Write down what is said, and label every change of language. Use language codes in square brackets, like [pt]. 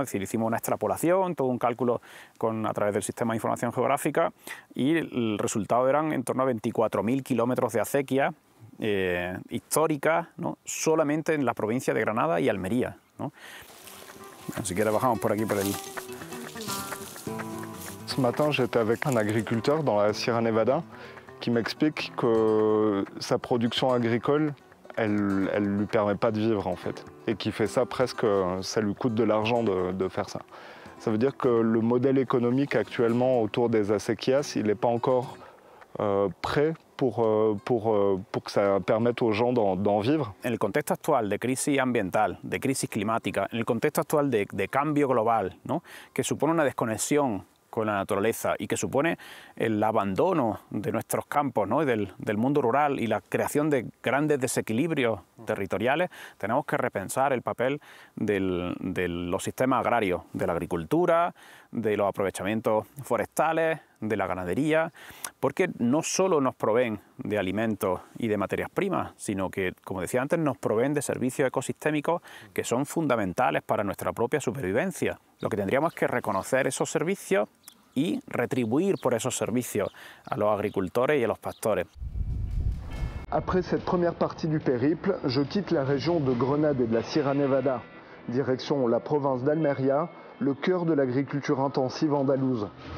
[es] Es decir, hicimos una extrapolación, todo un cálculo a través del sistema de información geográfica, y el resultado eran en torno a 24.000 kilómetros de acequias históricas, ¿no?, solamente en la provincia de Granada y Almería, ¿no? Si quieres bajamos por aquí, por allí. [fr] Ce matin, j'étais avec un agriculteur dans la Sierra Nevada qui m'explique que sa production agricole, elle lui permet pas de vivre en fait, et qui fait ça presque, ça lui coûte de l'argent de faire ça. Ça veut dire que le modèle économique actuellement autour des acequias, il n'est pas encore prêt pour que ça permette aux gens d'en vivre. [es] En el contexto actual de crisis ambiental, de crisis climática, en el contexto actual de cambio global, ¿no?, que supone una desconexión con la naturaleza y que supone el abandono de nuestros campos, ¿no?, y del mundo rural y la creación de grandes desequilibrios territoriales, tenemos que repensar el papel de los sistemas agrarios, de la agricultura, de los aprovechamientos forestales, de la ganadería, porque no solo nos proveen de alimentos y de materias primas, sino que, como decía antes, nos proveen de servicios ecosistémicos que son fundamentales para nuestra propia supervivencia. Lo que tendríamos es que reconocer esos servicios y retribuir por esos servicios a los agricultores y a los pastores. [fr] Après cette première partie du périple, je quitte la région de Grenade et de la Sierra Nevada, direction la province d'Almería, le cœur de l'agriculture intensive andalouse.